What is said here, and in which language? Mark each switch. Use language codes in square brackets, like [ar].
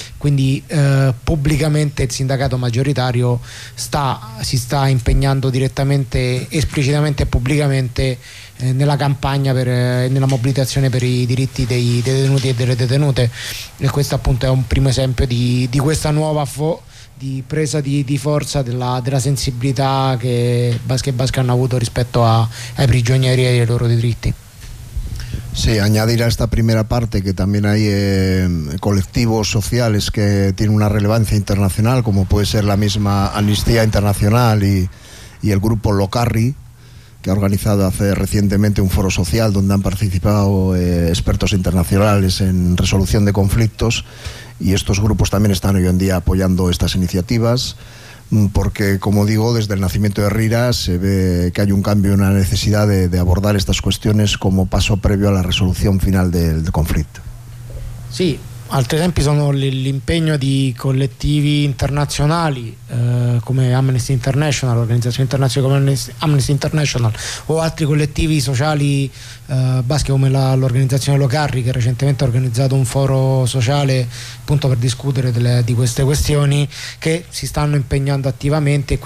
[it] Quindi pubblicamente il sindacato maggioritario si sta impegnando direttamente, esplicitamente e pubblicamente nella campagna per nella mobilitazione per i diritti dei detenuti e delle detenute, e questo appunto è un primo esempio di questa nuova di presa di forza della sensibilità che Basque e Basque hanno avuto rispetto ai prigionieri e ai loro diritti. [es] Sí, añadir a esta primera parte que también hay colectivos sociales que tienen una relevancia internacional, como puede ser la misma Amnistía Internacional y el grupo Locarri, que ha organizado hace recientemente un foro social donde han participado expertos internacionales en resolución de conflictos, y estos grupos también están hoy en día apoyando estas iniciativas, porque, como digo, desde el nacimiento de Herrera se ve que hay un cambio y una necesidad de abordar estas cuestiones como paso previo a la resolución final del conflicto. [it] Sí, altri esempi sono l'impegno di collettivi internazionali come Amnesty International, organizzazioni internazionali come Amnesty International, o altri collettivi sociali basche come l'organizzazione Locarri, che recentemente ha organizzato un foro sociale appunto per discutere di queste questioni, che si stanno impegnando attivamente.